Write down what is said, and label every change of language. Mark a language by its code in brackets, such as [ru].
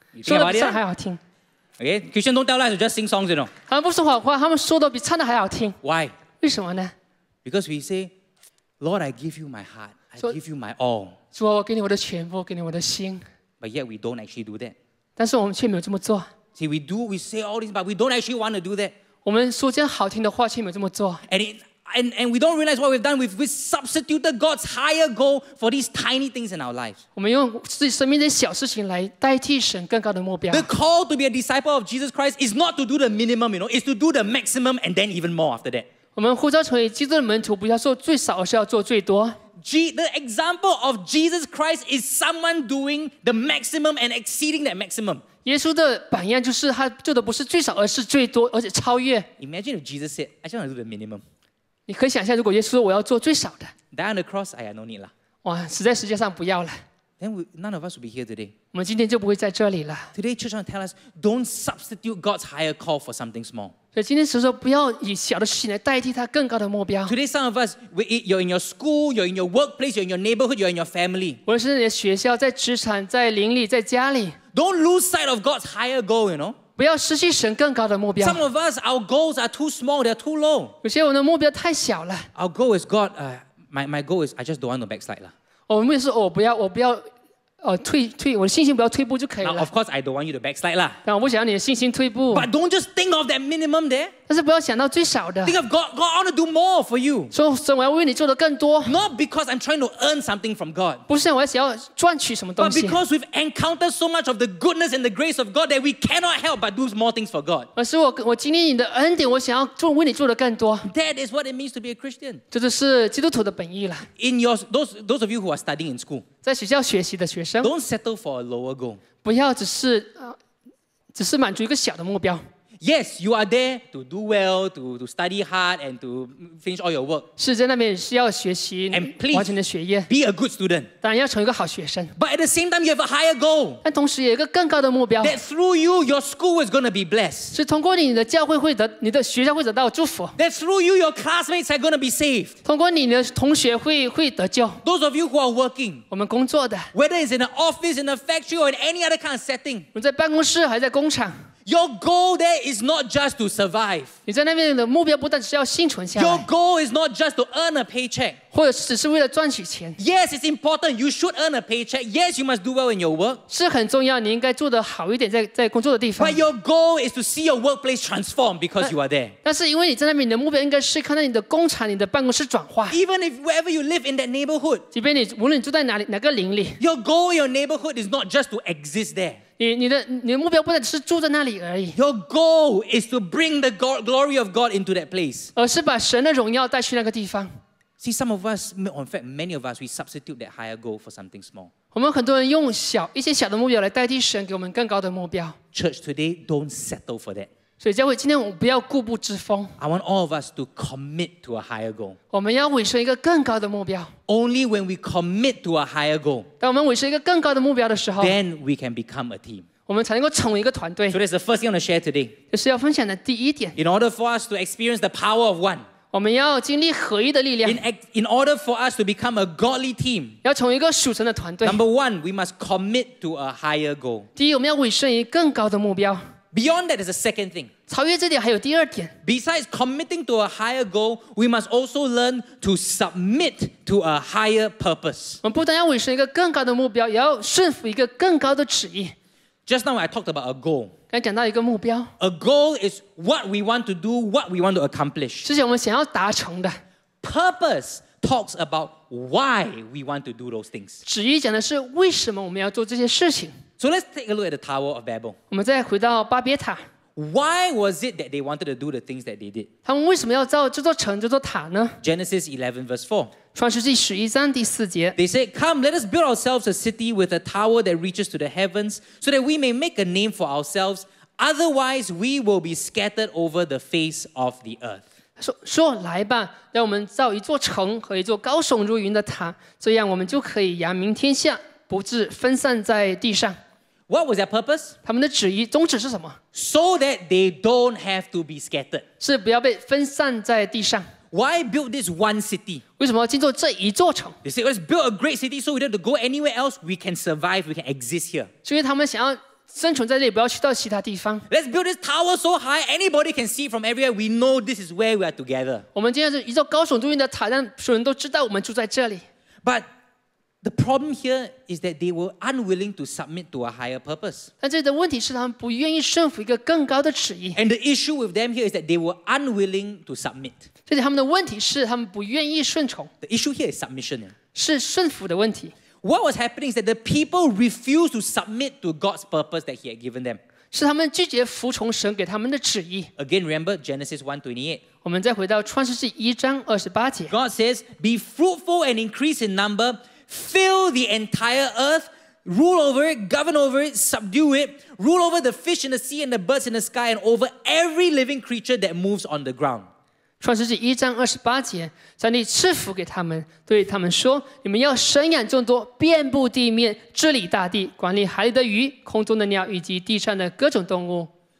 [zh] 说的比唱还好听。 [en] Okay, Christians don't tell lies, just sing songs, you know. [zh] 他们不说谎话，他们说的比唱的还好听。 [en] Why? [zh] 为什么呢？ [en] Because we say, Lord, I give you my heart, I give you my all. [zh] 主啊，我给你我的全部，给你我的心。 [en] But yet we don't actually do that. [zh] 但是我们却没有这么做。 [en] See, we say all this, but we don't actually want to do that. [zh] 我们说这样好听的话，却没有这么做。 [en] And we don't realize what we've done. We've substituted God's higher goal for these tiny things in our lives. [zh] 我们用自己生命的小事情来代替神更高的目标。 [en] The call to be a disciple of Jesus Christ is not to do the minimum, you know, it's to do the maximum and then even more after that. [zh] 我们呼召成为基督的门徒，不要做最少，而是要做最多。 [en] The example of Jesus Christ is someone doing the maximum and exceeding that maximum. [zh] 耶稣的榜样就是他做的不是最少，而是最多，而且超越。 [en] Imagine if Jesus said, "I just want to do the minimum." [zh] 你可以想象，如果耶稣说我要做最少的 [en] ，die on the cross， 哎呀 ，no need 了， [zh] 哇，死在十字架上不要了。 [en] Then none of us will be here today。 [zh] 我们今天就不会在这里了。 [en] Today church want to tell us don't substitute God's higher call for something small。 [zh] 所以今天神说不要以小的事情来代替他更高的目标。 [en] Today some of us you're in your school, you're in your workplace, you're in your neighborhood, you're in your family。 [zh] 无论是在学校、在职场、在邻里、在家里 [en] ，don't lose sight of God's higher goal， you know。 [zh] 不要失去神更高的目标。 [en] Some of us, our goals are too small, they're too low. [zh] 有些我的目标太小了。 [en] Our goal is God, my goal is I just don't want to backslide. [zh] 我的目标是我不要退，我的信心不要退步就可以了。 [en] Now, of course, I don't want you to backslide. [zh] 但我不想要你的信心退步。 [en] But don't just think of that minimum there. [zh] 但是不要想到最少的。 [en] Think of God, I want to do more for you. [zh] 说神，我要为你做的更多。 [en] Not because I'm trying to earn something from God. [zh] 不是我想要赚取什么东西。 [en] But because we've encountered so much of the goodness and the grace of God that we cannot help but do more things for God. [zh] 而是我经历你的恩典，我想要做为你做的更多。 [en] That is what it means to be a Christian. [zh] 这就是基督徒的本意了。 [en] In your those of you who are studying in school. [zh] 在学校学习的学生。 [en] Don't settle for a lower goal. [zh] 不要只是满足一个小的目标。 [en] Yes, you are there to do well, to study hard, and to finish all your work. [zh] 是在那边是要学习，完成的学业。 [en] Be a good student. [zh] 当然要成一个好学生。 [en] But at the same time, you have a higher goal. [zh] 但同时有一个更高的目标。 [en] That through you, your school is going to be blessed. [zh] 是通过你的教会会得，你的学校会得到祝福。 [en] That through you, your classmates are going to be saved. [zh] 通过你的同学会得救。 [en] Those of you who are working, [zh] 我们工作的。 [en] Whether it's in an office, in a factory, or in any other kind of setting. [zh] 我们在办公室还在工厂。 [en] Your goal there is not just to survive. [zh] 你在那边的目标不但是要幸存下来。 [en] Your goal is not just to earn a paycheck. [zh] 或者只是为了赚取钱。 [en] Yes, it's important. You should earn a paycheck. Yes, you must do well in your work. [zh] 是很重要，你应该做得好一点在工作的地方。 [en] But your goal is to see your workplace transform because you are there. [zh] 但是因为你在那边，你的目标应该是看到你的工厂、你的办公室转化。 [en] Even if wherever you live in that neighborhood. [zh] 即便你无论你住在哪里哪个邻里。 [en] Your goal in your neighborhood is not just to exist there. [zh] 你的目标不只是住在那里而已。 [en] Your goal is to bring the glory of God into that place. [zh] 而是把神的荣耀带去那个地方。 [en] See, some of us, in fact, many of us, we substitute that higher goal for something small. [zh] 我们很多人用小一些小的目标来代替神给我们更高的目标。 [en] Church today, don't settle for that. [zh] 所以教会今天我们不要固步自封。 [en] I want all of us to commit to a higher goal. [zh] 我们要为神一个更高的目标。 [en] Only when we commit to a higher goal, [zh] 当我们为神一个更高的目标的时候 [en] then we can become a team. [zh] 我们才能够成为一个团队。 [en] So that's the first thing I want to share today. [zh] 这是要分享的第一点。 [en] In order for us to experience the power of one, [zh] 我们要经历合一的力量。 [en] In order for us to become a godly team, [zh] 要成为一个属神的团队。 [en] Number one, we must commit to a higher goal. [zh] 第一，我们要为神一个更高的目标。 [en] Beyond that is the second thing. [zh] 超越这点还有第二点。 [en] Besides committing to a higher goal, we must also learn to submit to a higher purpose. [zh] 我们不但要为神一个更高的目标，也要顺服一个更高的旨意。 [en] Just now I talked about a goal. [zh] 刚才讲到一个目标。 [en] A goal is what we want to do, what we want to accomplish. [zh] 这是我们想要达成的。 [en] Purpose talks about why we want to do those things. [zh] 旨意讲的是为什么我们要做这些事情。 [en] So let's take a look at the Tower of Babel. [zh] 我们再回到巴别塔。 [en] Why was it that they wanted to do the things that they did? [zh] 他们为什么要造这座城、这座塔呢？ [en] Genesis 11 verse 4. [zh] 创世纪十一章第四节。 [en] They said, "Come, let us build ourselves a city with a tower that reaches to the heavens, so that we may make a name for ourselves. Otherwise, we will be scattered over the face of the earth." [zh] 说来吧，让我们造一座城和一座高耸入云的塔，这样我们就可以扬名天下。不致分散在地上。 [en] What was their purpose? [zh] 他们的旨意、宗旨是什么？ [en] So that they don't have to be scattered. [zh] 是不要被分散在地上。 [en] Why build this one city? [zh] 为什么要建造这一座城？ [en] They say, let's build a great city so we don't have to go anywhere else. We can survive, we can exist here. [zh] 是因为他们想要生存在这里，不要去到其他地方。 [en] Let's build this tower so high, anybody can see from everywhere. We know this is where we are together. [zh] 我们建造一座高耸入云的塔，让所有人都知道我们住在这里。 [en] But,The problem here is that they were unwilling to submit to a higher purpose. [zh] 但这里的问题是他们不愿意顺服一个更高的旨意。 [en] And the issue with them here is that they were unwilling to submit. [zh] 这里他们的问题是他们不愿意顺从。 [en] The issue here is submission. [zh] 是顺服的问题。 [en] What was happening is that the people refused to submit to God's purpose that he had given them. [zh] 是他们拒绝服从神给他们的旨意。 [en] Again, remember Genesis 1:28. [zh] 我们再回到创世纪一章二十八节。 [en] God says, be fruitful and increase in number,Fill the entire earth, rule over it, govern over it, subdue it, rule over the fish in the sea and the birds in the sky, and over every living creature that moves on the ground. [zh] 创世纪一章二十八节，上帝赐福给他们，对他们说：“你们要生养众多，遍布地面，治理大地，管理海里的鱼、空中的鸟以及地上的各种动物。”